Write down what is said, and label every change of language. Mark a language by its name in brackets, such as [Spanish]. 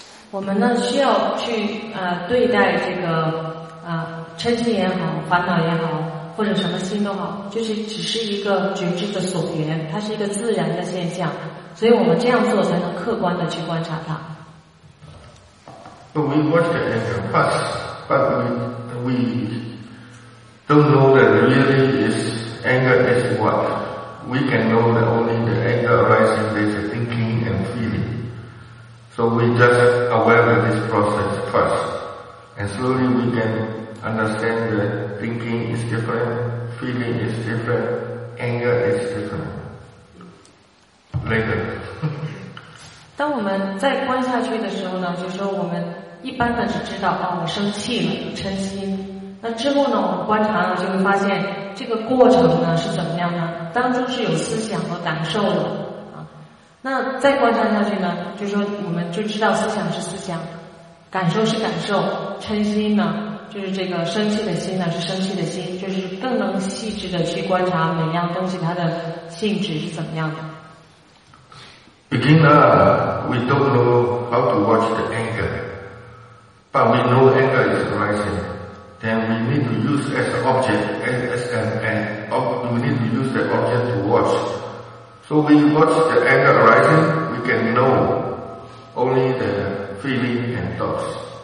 [Chinese] 我们呢需要去对待这个嗔心也好，烦恼也好，或者什么心都好，就是只是一个觉知的所缘，它是一个自然的现象，所以我们这样做才能客观的去观察它。 [English] But we watch the anger, but we don't know that really is anger is what. We can know that only the anger arising is thinking and feeling. So we just aware of this process first. And slowly we can understand that thinking is different, feeling is different, anger is different. Later. [Chinese] 当我们再观下去的时候呢，就说我们一般的只知道啊，我生气了，有嗔心。那之后呢，我们观察了，就会发现这个过程呢是怎么样呢？当中是有思想和感受的啊。那再观察下去呢，就说我们就知道思想是思想，感受是感受，嗔心呢就是这个生气的心呢是生气的心，就是更能细致的去观察每样东西它的性质是怎么样的。 [English] Beginner, we don't know how to watch the anger, but we know anger is arising. Then we need to use as an object, we need to use the object to watch. So we watch the anger arising, we can know only the feeling and thoughts.